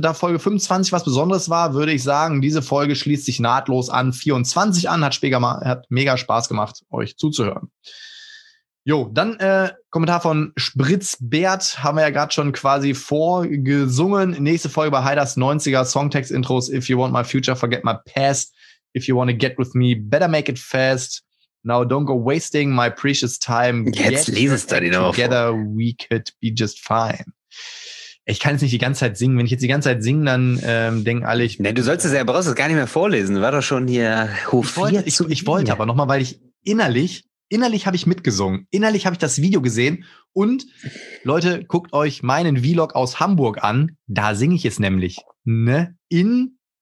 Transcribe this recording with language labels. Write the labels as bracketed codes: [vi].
[de] Da Folge 25 was Besonderes war, würde ich sagen, diese Folge schließt sich nahtlos an 24 an. Hat mega Spaß gemacht, euch zuzuhören. Jo, dann Kommentar von Spritzbert, haben wir ja gerade schon quasi vorgesungen. Nächste Folge bei Heiders 90er Songtext-Intros. [en] If you want my future, forget my past. If you want to get with me, better make it fast. Now don't go wasting my precious time. [de] Jetzt lesest du die noch. [en] Together we could be just fine. [de] Ich kann jetzt nicht die ganze Zeit singen. Wenn ich jetzt die ganze Zeit singe, dann denken alle, ich... Nee, du sollst es ja, brauchst es gar nicht mehr vorlesen. War doch schon hier hofiert. Ich wollte aber nochmal, weil ich innerlich habe ich mitgesungen. Innerlich habe ich das Video gesehen. Und Leute, guckt euch meinen Vlog aus Hamburg an. Da singe ich es nämlich. Ne? In